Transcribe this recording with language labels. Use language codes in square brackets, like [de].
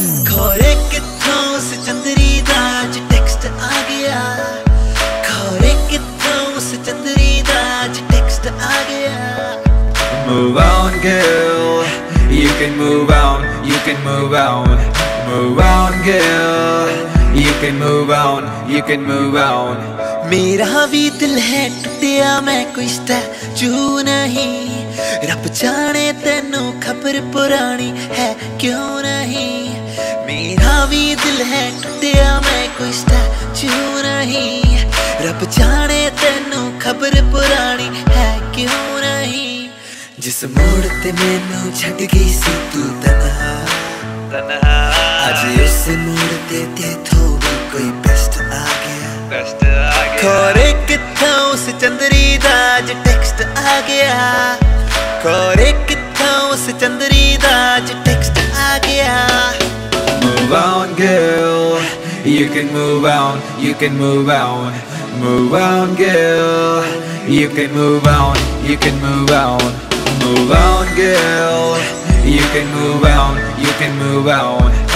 [pa] ਖੋਰੇ ਕਿੱਥੋਂ ਉਸ ਚੰਦਰੀ ਦਾ ਅੱਜ ਟੈਕਸਟ ਆ ਗਿਆ, ਖੋਰੇ ਕਿੱਥੋਂ ਉਸ ਚੰਦਰੀ ਦਾ ਅੱਜ ਟੈਕਸਟ ਆ ਗਿਆ। [en] Move on girl, you can move on, you can move on. Move on girl, you can move on, you can move on. [pa] ਮੇਰਾ ਵੀ ਦਿਲ ਹੈ ਟੁੱਟਿਆ ਮੈਂ ਕੁਛ ਤਾਂ ਜੂ ਨਹੀਂ, ਰੱਬ ਜਾਣੇ ਤੈਨੂੰ ਖਬਰ ਪੁਰਾਣੀ ਹੈ ਕਿਉਂ ਨਹੀਂ। ਮੇਰਾ ਵੀ ਦਿਲ ਹੈ ਟੁੱਟਿਆ ਮੈਂ ਕੁਛ ਤਾਂ ਜੂ ਨਹੀਂ, ਰੱਬ ਜਾਣੇ ਤੈਨੂੰ ਖਬਰ ਪੁਰਾਣੀ ਹੈ ਕਿਉਂ ਨਹੀਂ। ਜਿਸ ਮੋੜ ਤੇ ਮੈਨੂੰ ਛੱਡ ਗਈ ਸੀ ਤੂੰ ਤਨਹਾ ਤਨਹਾ, ਅੱਜ ਉਸ ਮੋੜ ਤੇ ਤੇਥੋਂ ਵੀ ਕੋਈ ਬੈਸਟ ਆ ਗਿਆ, ਬੈਸਟ ਆ ਗਿਆ। ਖੋਰੇ ਕਿੱਥੋਂ ਉਸ ਚੰਦਰੀ ਦਾ ਅੱਜ ਟੈਕਸਟ ਆ ਗਿਆ, ਖੋਰੇ ਕਿੱਥੋਂ ਉਸ ਚੰਦਰੀ ਦਾ ਅੱਜ ਟੈਕਸਟ ਆ ਗਿਆ। [en] Move on girl, you can move on, you can move on. Move on girl, you can move on, you can move on. Move on girl, you can move on, you can move on.